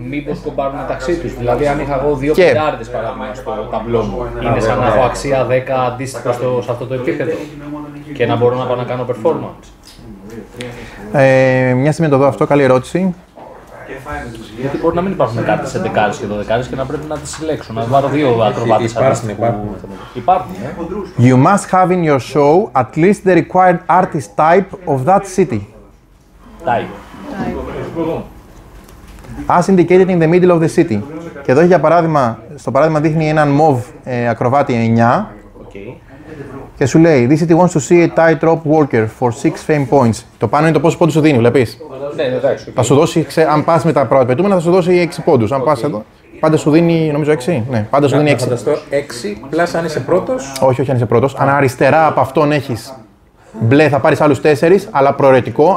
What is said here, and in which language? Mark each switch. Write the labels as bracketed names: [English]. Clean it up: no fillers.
[Greek] Μήπως τον πάρουν μεταξύ τους, δηλαδή αν είχα εγώ δύο πεντάρτες παράδειγμα στο ταμπλό μου, είναι σαν να έχω αξία 10 αντίστοιχα σε αυτό το επίπεδο και να μπορώ να πάω να κάνω performance. Μια στιγμή να το δω αυτό, καλή ερώτηση. Γιατί μπορεί να μην υπάρχουν κάτι σε 10 και 12 και να πρέπει να τι συλλέξουν. Να βάλω δύο ακροβάτες αντίστοιχα. Υπάρχουν. [English] You must have in your show at least the required artist type of that city. As indicated in the middle of the city. [Greek] Και εδώ για παράδειγμα, στο παράδειγμα δείχνει έναν μοβ ακροβάτη 9. Και σου λέει, [English] this city wants to see a tightrope walker for 6 fame points. [Greek] Το πάνω είναι το πόσο πόντους σου δίνει, βλέπεις. Ναι, εντάξει. Θα σου δώσει, αν πας με τα πρώτα πετούμενα, θα σου δώσει 6 πόντους. Αν πας εδώ, πάντα σου δίνει, νομίζω 6. Ναι, πάντα σου δίνει 6. Να φανταστώ 6, πλάς αν είσαι πρώτος. Όχι, όχι αν είσαι πρώτος. Αν αριστερά από αυτόν έχεις μπλε, θα πάρεις άλλους 4, αλλά προαιρετικό.